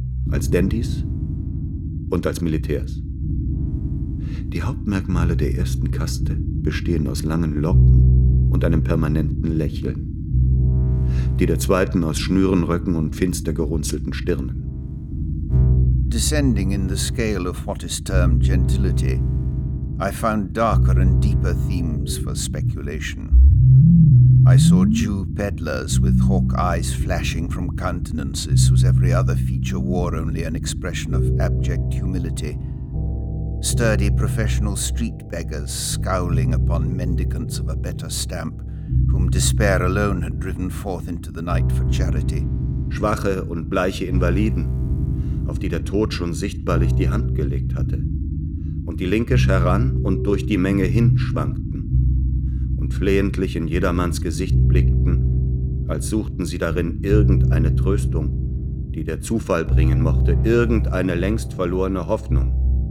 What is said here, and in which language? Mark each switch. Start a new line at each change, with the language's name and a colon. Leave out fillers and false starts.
German: Als Dandys und als Militärs. Die Hauptmerkmale der ersten Kaste bestehen aus langen Locken und einem permanenten Lächeln. Die der zweiten aus Schnürenröcken und finster gerunzelten Stirnen.
English: Descending in the scale of what is termed gentility, I found darker and deeper themes for speculation. I saw Jew peddlers with hawk eyes flashing from countenances whose every other feature wore only an expression of abject humility. Sturdy professional street beggars scowling upon mendicants of a better stamp, whom despair alone had driven forth into the night for charity.
German: Schwache und bleiche Invaliden, auf die der Tod schon sichtbarlich die Hand gelegt hatte, und die linkisch heran und durch die Menge hinschwankten und flehentlich in jedermanns Gesicht blickten, als suchten sie darin irgendeine Tröstung, die der Zufall bringen mochte, irgendeine längst verlorene Hoffnung.